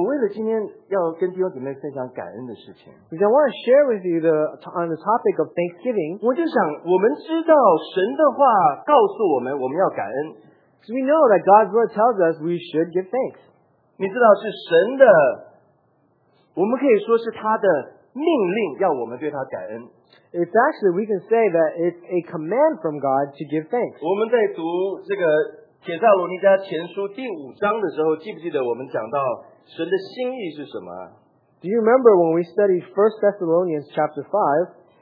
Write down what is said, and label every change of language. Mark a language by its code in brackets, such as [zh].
[zh] 你知道，我为了今天要跟弟兄姊妹分享感恩的事情。 [en] Because I want to share with you on the topic of Thanksgiving. [zh] 我就想，我们知道神的话告诉我们，我们要感恩。 [en] So we know that God's word tells us we should give thanks. [zh] 你知道是神的，我们可以说是他的命令，要我们对他感�en。 [en] It's actually, we can say that it's a command from God to give thanks. [zh] 我们在读这个《帖撒罗尼迦前书》第五章的时候，记不记得我们讲到神的心意是什么？ [en] Do you remember when we studied 1 Thessalonians chapter 5?